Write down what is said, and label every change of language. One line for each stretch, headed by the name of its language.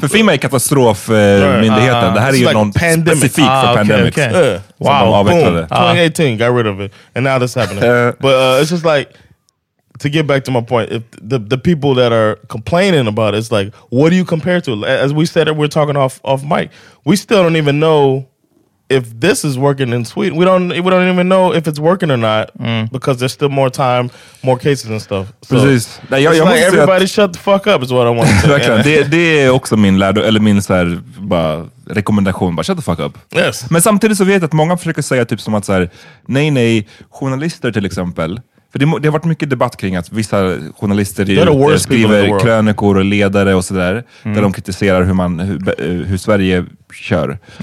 Swedish: För FEMA är katastrofmyndigheten. Det här är ju like någon pandemic. Specifik för pandemics. Okay.
English: Wow, boom. 2018, got rid of it. And now this happening. But it's just like, to get back to my point, if the people that are complaining about it, it's like, what do you compare to? As we said, we're talking off mic. We still don't even know if this is working in Sweden. We don't even know if it's working or not because there's still more time, more cases and stuff.
Swedish: So precis. Nej, jag like måste
English: everybody shut the fuck up is what I want to say.
Swedish: Verkligen. Det är också min lärdom, eller min så här, bara rekommendation, bara
English: shut the fuck up. Yes.
Swedish: Men samtidigt så vet jag att många försöker säga typ som att så här, nej, journalister till exempel, för det har varit mycket debatt kring att vissa journalister skriver krönikor och ledare och sådär, där de kritiserar hur Sverige kör.